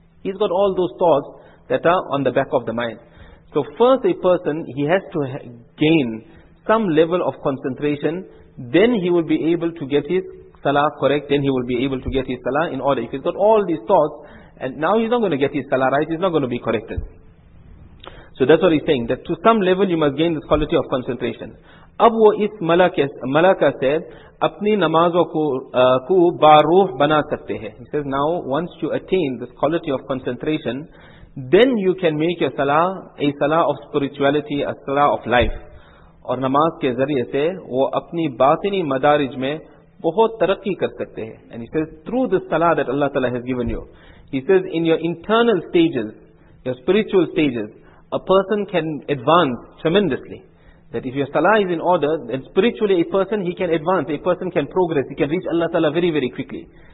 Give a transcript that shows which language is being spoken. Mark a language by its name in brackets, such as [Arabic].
[English] He's got all those thoughts that are on the back of the mind. So first a person, he has to gain some level of concentration, then he will be able to get his salah correct, then he will be able to get his salah in order. If he's got all these thoughts, and now he's not going to get his salah right, he's not going to be corrected. So that's what he's saying, that to some level you must gain this quality of concentration. [Urdu] اب وہ اس ملکہ سے اپنی نمازوں کو باروح بنا سکتے ہیں. [English] He says, now once you attain this quality of concentration, then you can make your salah a salah of spirituality, a salah of life. [Urdu] اور نماز کے ذریعے سے وہ اپنی باطنی مدارج میں بہت ترقی کر سکتے ہیں. [English] And he says, through this salah that Allah Ta'ala has given you, he says, in your internal stages, your spiritual stages, a person can advance tremendously. That if your salah is in order, then spiritually a person, he can advance, a person can progress, he can reach Allah Ta'ala very, very quickly.